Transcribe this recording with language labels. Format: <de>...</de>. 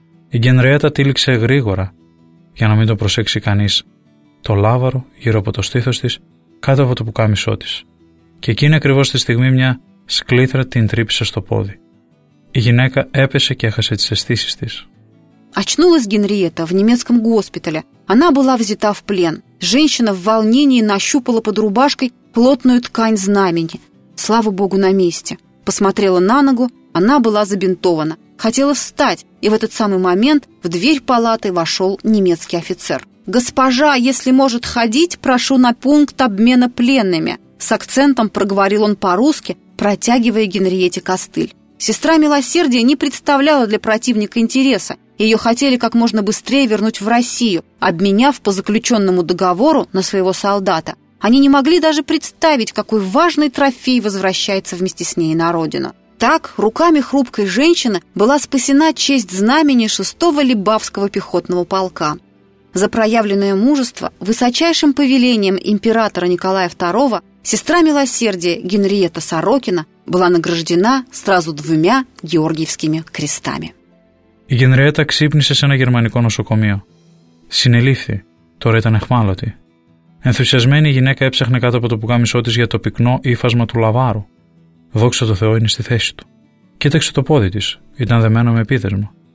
<el>Η Γκινριέτα τύλιξε γρήγορα, για να μην το προσέξει κανείς, το λάβαρο γύρω από το στήθος της, κάτω από το πουκάμισό της. Και εκείνη ακριβώς τη στιγμή μια σκλήθρα την τρύπησε στο πόδι. Η γυναίκα έπεσε και έχασε τις αισθήσεις της.</el> <ru>Очнулась Генриетта в немецком госпитале. Она была взята в плен. Женщина в волнении нащупала под рубашкой плотную ткань знамени. Слава богу, на месте. Посмотрела на ногу, она была забинтована. Хотела встать, и в этот самый момент в дверь палаты вошел немецкий офицер. «Госпожа, если может ходить, прошу на пункт обмена пленными». С акцентом проговорил он по-русски, протягивая Генриетте костыль. Сестра милосердия не представляла для противника интереса. Ее хотели как можно быстрее вернуть в Россию, обменяв по заключенному договору на своего солдата. Они не могли даже представить, какой важный трофей возвращается вместе с ней на родину. Так, руками хрупкой женщины была спасена честь знамени 6-го Либавского пехотного полка. За проявленное мужество высочайшим повелением императора Николая II сестра милосердия Генриетта Сорокина была награждена сразу двумя георгиевскими крестами.</ru> <el>Η Γκινριέτα ξύπνησε σε ένα γερμανικό νοσοκομείο. Συνελήφθη, τώρα ήταν εχμάλωτη. Ενθουσιασμένη η γυναίκα έψαχνε κάτω από το πουκάμισό της για το πυκνό ύφασμα του λαβάρου. Δόξα τω Θεώ, είναι στη θέση του. Κοίταξε το πόδι της, ήταν δεμένο με επίδερμα.</el>